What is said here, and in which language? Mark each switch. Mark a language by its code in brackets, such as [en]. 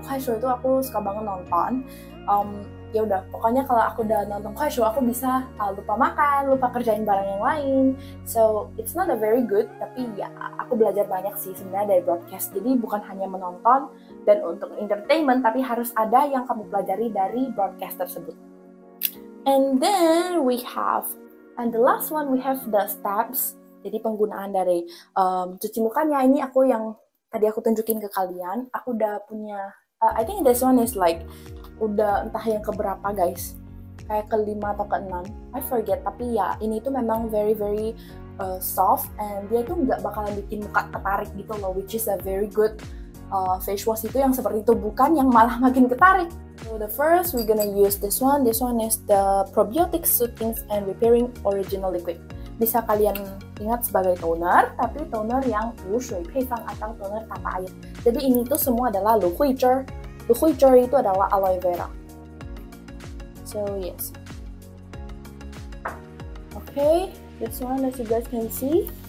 [id] Koi Show itu aku suka banget nonton. Ya udah, pokoknya kalau aku udah nonton Koi Show, aku bisa lupa makan, lupa kerjain barang yang lain. [en] So, it's not a very good, [id] tapi ya aku belajar banyak sih sebenarnya dari broadcast. Jadi bukan hanya menonton dan untuk entertainment, tapi harus ada yang kamu pelajari dari broadcast tersebut. [en] And then we have, and the last one we have the steps. [id] Jadi penggunaan dari cuci mukanya, ini aku yang tadi aku tunjukin ke kalian. Aku udah punya, [en] I think this one is like, [id] udah entah yang keberapa guys. Kayak kelima atau keenam, [en] I forget. [id] Tapi ya, ini tuh memang [en] very-very soft. [id] And dia tuh nggak bakalan bikin muka ketarik gitu loh. [en] Which is a very good face wash [id] itu yang seperti itu. Bukan yang malah makin ketarik. [en] So the first, we're gonna use this one. This one is the Probiotic Soothing and Repairing Original Liquid. [id] Bisa kalian ingat sebagai toner, tapi toner yang [zh] wushui peifang [id] atau toner tanpa air. Jadi ini tuh semua adalah luhuicher. Luhuicher itu adalah aloe vera. [en] So yes. Okay, this one as you guys can see.